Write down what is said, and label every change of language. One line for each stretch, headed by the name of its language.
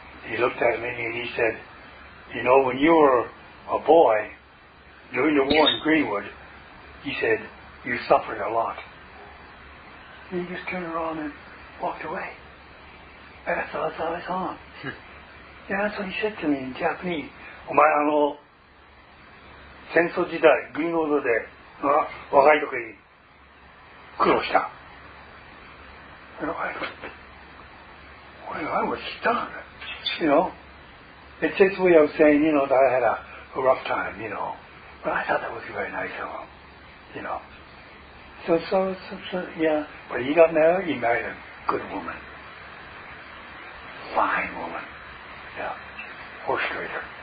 English: he looked at me and he said, you know, when you were a boy, during the war in Greenwood, he said, you suffered a lot. And he just turned around and walked away. That's all I saw. Yeah, that's what he said to me in Japanese.
Japanese: お前あの戦争時代グリーンウォードで若い時に苦労した。
English: I was stunned. You know, it's his way of saying, you know, that I had a rough time. You know, but I thought that was very nice of him. You know, so yeah. But he got married. He married a good woman. Fine woman. Yeah. Horse trader.